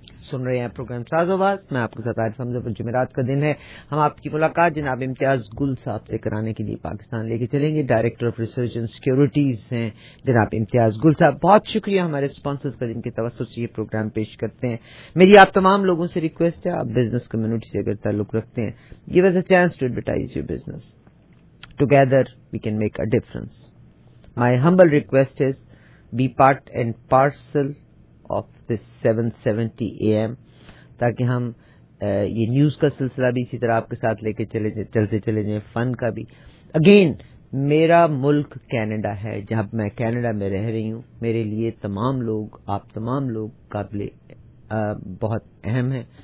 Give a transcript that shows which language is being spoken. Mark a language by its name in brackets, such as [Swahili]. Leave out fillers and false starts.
[Urdu] سن رہے ہیں پروگرام ساز آواز. میں آپ کے ساتھ عارف حمزہ. پر جمعرات کا دن ہے, ہم آپ کی ملاقات جناب امتیاز گل صاحب سے کرانے کے لیے پاکستان لے کے چلیں گے. Director of research and securities ہیں جناب امتیاز گل صاحب. بہت شکریہ ہمارے اسپانسرز کا جن کے توسط سے یہ پروگرام پیش کرتے ہیں. میری آپ تمام لوگوں سے ریکویسٹ ہے, آپ بزنس کمیونٹی سے اگر تعلق رکھتے ہیں, [English] Give us a chance to advertise your business. Together we can make a difference. My humble request is be part and parcel of this [Urdu] 7:70 AM تاکہ ہم یہ نیوز کا سلسلہ بھی اسی طرح آپ کے ساتھ لے کے چلتے چلے جائیں, فن کا بھی. اگین میرا ملک کینیڈا ہے, جب میں کینیڈا میں رہ رہی ہوں, میرے لیے تمام لوگ, آپ تمام لوگ قابل بہت اہم ہیں.